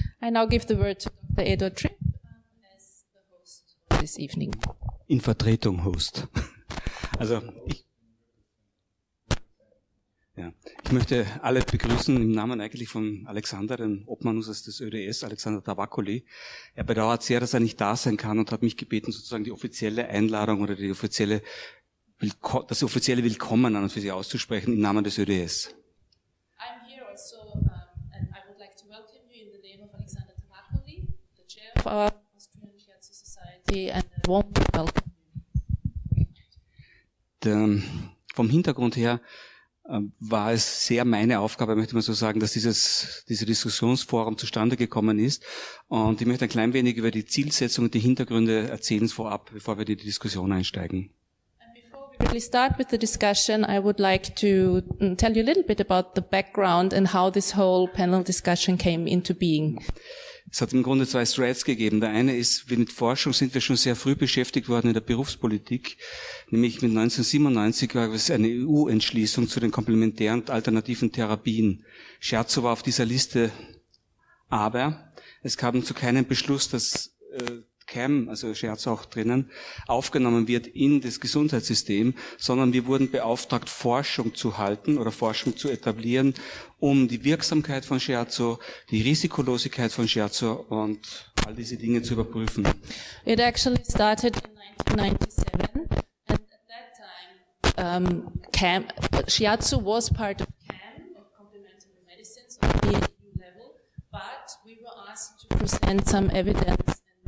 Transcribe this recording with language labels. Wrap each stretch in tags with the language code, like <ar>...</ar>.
<en>I now give the word to Dr. Eduard Tripp as the host of this evening.</en> <de>In Vertretung Host. Also ich möchte alle begrüßen im Namen eigentlich von Alexander, dem Obmanus des ÖDS, Alexander Tabakoli. Er bedauert sehr, dass er nicht da sein kann und hat mich gebeten, sozusagen die offizielle Einladung oder die offizielle das offizielle Willkommen an uns für Sie auszusprechen im Namen des ÖDS.</de> <en>I'm here also and I would like to welcome you in the name of Alexander Tabakoli, the chair of our Austrian Shiatsu Society, and a warm welcome.</en> <de>Vom Hintergrund her war es sehr meine Aufgabe, möchte man so sagen, dass diese Diskussionsforum zustande gekommen ist. Und ich möchte ein klein wenig über die Zielsetzung und die Hintergründe erzählen vorab, bevor wir in die Diskussion einsteigen.</de> <en>Really start with the discussion, I would like to tell you a little bit about the background and how this whole panel discussion came into being.</en> <de>Es hat im Grunde zwei Threads gegeben. Der eine ist, mit Forschung sind wir schon sehr früh beschäftigt worden in der Berufspolitik, nämlich mit 1997 war es eine EU-Entschließung zu den komplementären und alternativen Therapien. Shiatsu war auf dieser Liste, aber es kam zu keinem Beschluss, dass CAM, also Scherz auch drinnen, aufgenommen wird in das Gesundheitssystem, sondern wir wurden beauftragt, Forschung zu halten oder Forschung zu etablieren, um die Wirksamkeit von Scherzo, die Risikolosigkeit von Scherzo und all diese Dinge zu überprüfen.</de> <en>It actually started in 1997 and at that time CAM, Scherzo was part of CAM, of Complementary Medicines, on the EU level, but we were asked to present some evidence.</en>